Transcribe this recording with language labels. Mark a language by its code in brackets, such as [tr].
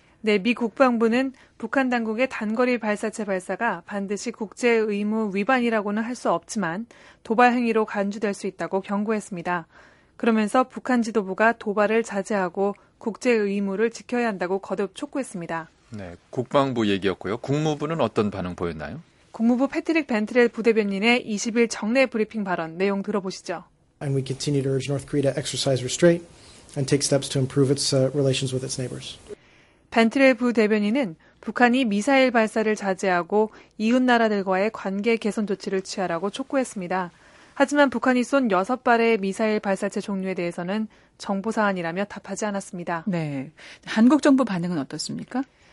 [ko] 네, 미 국방부는 북한 당국의 단거리 발사체 발사가 반드시 국제 의무 위반이라고는 할 수 없지만 도발 행위로 간주될 수 있다고 경고했습니다. 그러면서 북한 지도부가 도발을 자제하고 국제 의무를 지켜야 한다고 거듭 촉구했습니다. 네, 국방부 얘기였고요. 국무부는 어떤 반응 보였나요? 국무부 패트릭 벤트렐 부대변인의 20일 정례 브리핑 발언 내용 들어보시죠. [en] And we continue to urge North Korea to exercise restraint and take steps to improve its relations with its neighbors. [ko] 벤트렐 부대변인은 북한이 미사일 발사를 자제하고 이웃 나라들과의 관계 개선 조치를 취하라고 촉구했습니다. 하지만 북한이 쏜 6발의 미사일 발사체 종류에 대해서는 정보 사안이라며 답하지 않았습니다. 네. 한국 정부 반응은 어떻습니까?